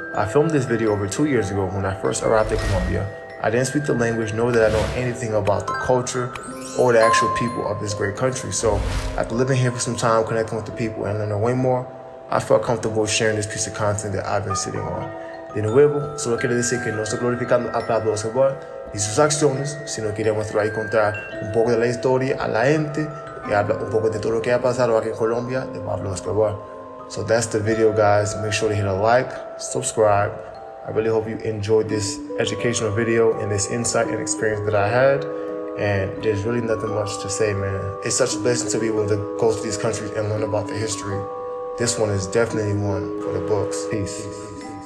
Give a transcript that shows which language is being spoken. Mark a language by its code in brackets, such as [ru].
[en] I filmed this video over 2 years ago when I first arrived in Colombia. I didn't speak the language, nor did I know anything about the culture or the actual people of this great country. So after living here for some time, connecting with the people and learning way more, I felt comfortable sharing this piece of content that I've been sitting on. [es] De nuevo, solo quiero decir que no estoy glorificando a Pablo Escobar y sus acciones, sino quiero mostrar y contar un poco de la historia a la gente y hablar un poco de todo lo que ha pasado aquí en Colombia de Pablo Escobar. [en] So that's the video, guys. Make sure to hit a like, subscribe. I really hope you enjoyed this educational video and this insight and experience that I had. And there's really nothing much to say, man. It's such a blessing to be able to go to these countries and learn about the history. This one is definitely one for the books. Peace.